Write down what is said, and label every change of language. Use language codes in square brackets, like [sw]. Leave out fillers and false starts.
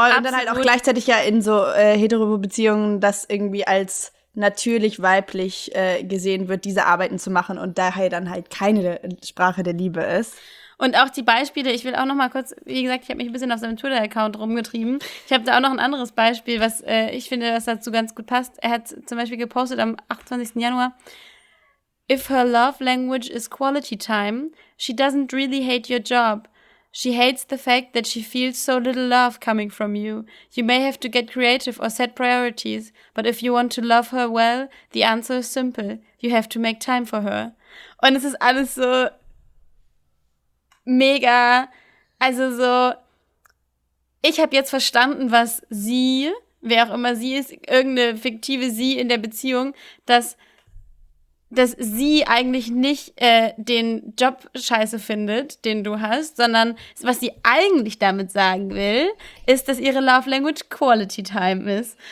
[de] Absolut. Und dann halt auch gleichzeitig ja in so Hetero-Beziehungen, das irgendwie als natürlich weiblich gesehen wird, diese Arbeiten zu machen und daher dann halt keine Sprache der Liebe ist. Und auch die Beispiele, ich will auch noch mal kurz, wie gesagt, ich habe mich ein bisschen auf seinem Twitter-Account rumgetrieben. Ich habe da auch noch ein anderes Beispiel, was ich finde, was dazu ganz gut passt. Er hat zum Beispiel gepostet am 28. Januar: [en] If her love language is quality time, she doesn't really hate your job. She hates the fact that she feels so little love coming from you. You may have to get creative or set priorities, but if you want to love her well, the answer is simple. You have to make time for her. [de] Und es ist alles so mega. Also so, ich habe jetzt verstanden, was sie, wer auch immer sie ist, irgendeine fiktive sie in der Beziehung, dass sie eigentlich nicht den Job scheiße findet, den du hast, sondern was sie eigentlich damit sagen will, ist, dass ihre Love Language Quality Time ist.